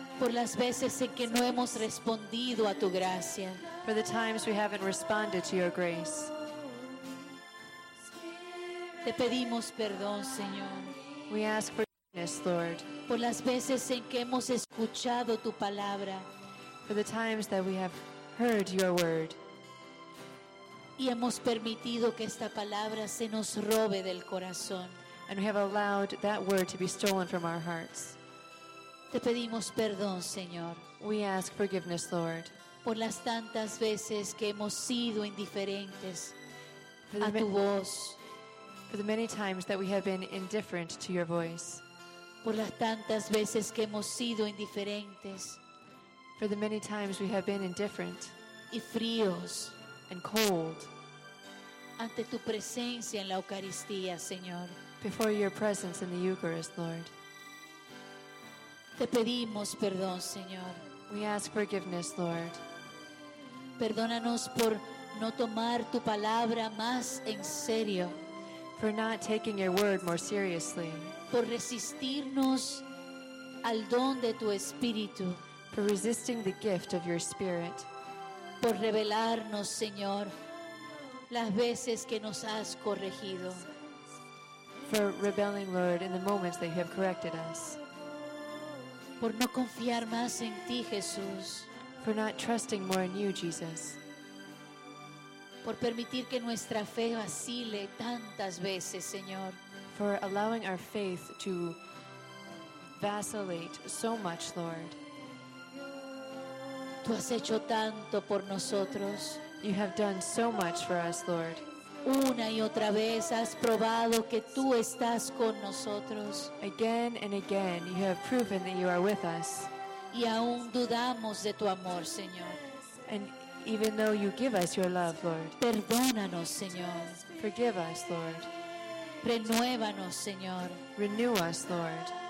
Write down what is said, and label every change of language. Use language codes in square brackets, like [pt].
[es] Por las veces en que no hemos respondido a tu gracia. [en] For the times we haven't responded to your grace. [es] Te pedimos perdón, Señor. [en] We ask forgiveness, Lord. [es] Por las veces en que hemos escuchado tu palabra. [en] For the times that we have heard your word. [es] Y hemos permitido que esta palabra se nos robe del corazón. [en] And we have allowed that word to be stolen from our hearts. [es] Te pedimos perdón, Señor. [en] We ask forgiveness, Lord. [es] Por las tantas veces que hemos sido indiferentes a tu voz. [en] For the many times that we have been indifferent to your voice. [es] Por las tantas veces que hemos sido indiferentes. [en] For the many times we have been indifferent. [es] Y fríos. [en] And cold. [es] Ante tu presencia en la Eucaristía, Señor. [en] Before your presence in the Eucharist, Lord. [es] Te pedimos perdón, Señor. [en] We ask forgiveness, Lord. [es] Perdónanos por no tomar tu palabra más en serio. [en] For not taking your word more seriously. [es] Por resistirnos al don de tu espíritu. [en] For resisting the gift of your spirit. [es] Por revelarnos, Señor, las veces que nos has corregido. [en] For rebelling, Lord, in the moments that you have corrected us. [es] Por no confiar más en ti, Jesús. [en] For not trusting more in you, Jesus. [es] Por permitir que nuestra fe vacile tantas veces, Señor. [en] For allowing our faith to vacillate so much, Lord. [es] Tú has hecho tanto por nosotros. [en] You have done so much for us, Lord. [es] Una y otra vez has probado que tú estás con nosotros. [en] Again and again, you have proven that you are with us. [es] Y aún dudamos de tu amor, Señor. [en] And even though you give us your love, Lord. [es] Perdónanos, Señor. [en] Forgive us, Lord. [es] Renuévanos, Señor. [en] Renew us, Lord.